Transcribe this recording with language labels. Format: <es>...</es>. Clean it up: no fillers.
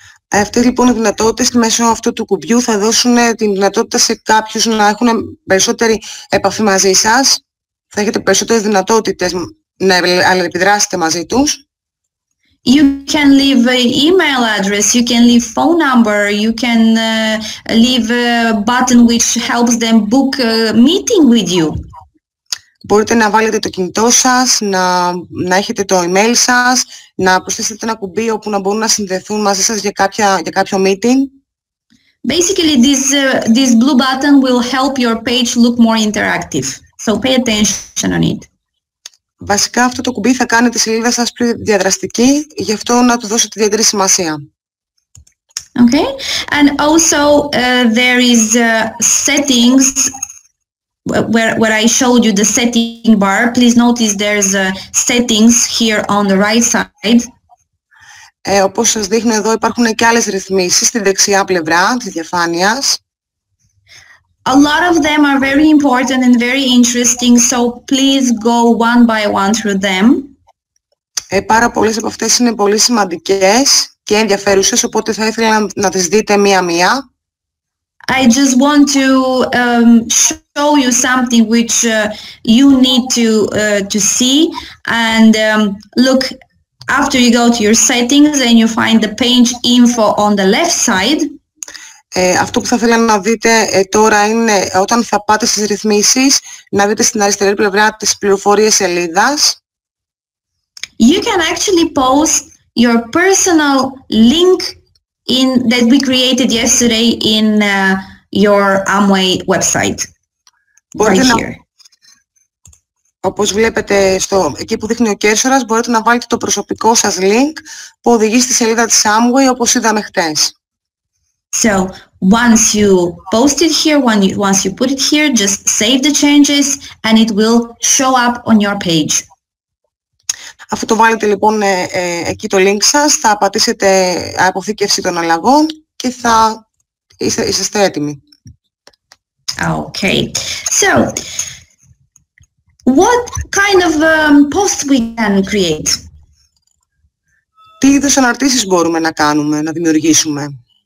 <el>Αυτές λοιπόν οι δυνατότητες μέσω αυτού του κουμπιού θα δώσουν την δυνατότητα σε κάποιους να έχουν περισσότερη επαφή μαζί σας. Θα έχετε περισσότερες δυνατότητες να αλληλεπιδράσετε μαζί τους.</el> <en>You can leave an email address, you can leave phone number, you can leave a button which helps them book a meeting with you.</en> <el>Μπορείτε να βάλετε το κινητό σας, να έχετε το email σας, να προσθέσετε ένα κουμπί όπου να μπορούν να συνδεθούν μαζί σας για κάποιο meeting.</el> <en>Basically, this blue button will help your page look more interactive. So pay attention on it.</en> <el>Βασικά αυτό το κουμπί θα κάνει τη σελίδα σας πιο διαδραστική, γι' αυτό να του δώσετε ιδιαίτερη σημασία.</el> <en>Okay, and also there is settings where I showed you the setting bar. Please notice there's settings here on the right side.</en> <el>Όπως σας δείχνω εδώ υπάρχουν και άλλες ρυθμίσεις στη δεξιά πλευρά της διαφάνειας.</el> <en>A lot of them are very important and very interesting, so please go one by one through them.</en> <el>Πάρα πολλές από αυτές είναι πολύ σημαντικές και ενδιαφέρουσες, οπότε θα ήθελα να τις δείτε μία-μία.</el> <en>I just want to show you something which you need to see. And look, after you go to your settings and you find the page info on the left side,</en> <el>Αυτό που θα ήθελα να δείτε τώρα είναι όταν θα πάτε στις ρυθμίσεις, να δείτε στην αριστερή πλευρά της πληροφορίες σελίδας.</el> <en>You can actually post your personal link in that we created yesterday in your Amway website.</en> <el>Μπορείτε</el> <en>right</en> <el>να,</el> <en>here.</en> <el>Όπως βλέπετε στο, εκεί που δείχνει ο κέρσορας, μπορείτε να βάλετε το προσωπικό σας link που οδηγεί στη σελίδα της Amway όπως είδαμε χτες.</el> <en>So, once you post it here, once you put it here, just save the changes and it will show up on your page.</en> <el>Αφού το βάλετε λοιπόν εκεί το link σας, θα πατήσετε αποθήκευση των αλλαγών και θα είστε έτοιμοι.</el> <en>Okay. So, what kind of post we can create?</en> <el>Τι είδους αναρτήσεις μπορούμε να κάνουμε, να δημιουργήσουμε?</el>